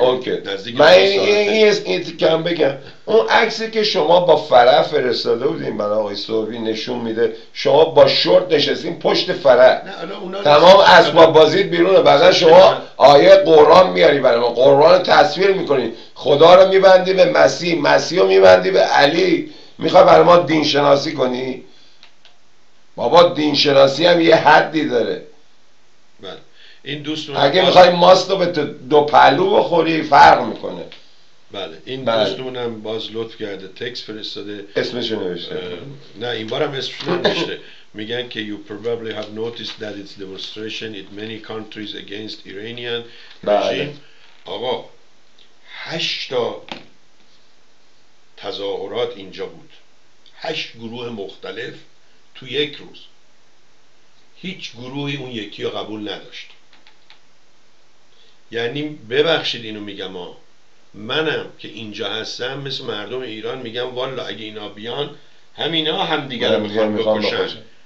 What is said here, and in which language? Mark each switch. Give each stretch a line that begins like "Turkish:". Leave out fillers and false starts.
Persian: اوکی من این کم بگم اون عکسی که شما با فره فرستاده بودین برای آقای صوفی نشون میده، شما با شورت نشستین پشت فره، تمام اسباب بازیت بیرونه، بعدا شما آیه قرآن میاری برای ما، قرآن تصویر میکنی، خدا رو میبندی به مسیح، مسیح رو میبندی به علی، میخوای برای ما دین شناسی کنی؟ بابا دین شناسی هم یه حدی داره. این دوست اگه میخوای ماست رو به دو پلو بخوری فرق میکنه. بله این دوستونم باز لطف کرده تکس فرستاده، اسمش رو نوشته، نه این بارم اسمش رو نوشته. میگن که
English: you probably have noticed that it's demonstration in many countries against Iranian regime.
Persian: آقا 8 تظاهرات اینجا بود، 8 گروه مختلف تو یک روز، هیچ گروهی اون یکی رو قبول نداشت. یعنی ببخشید اینو میگم، منم که اینجا هستم مثل مردم ایران میگم والا اگه اینا بیان همینا هم دیگر رو میخوان بکشن.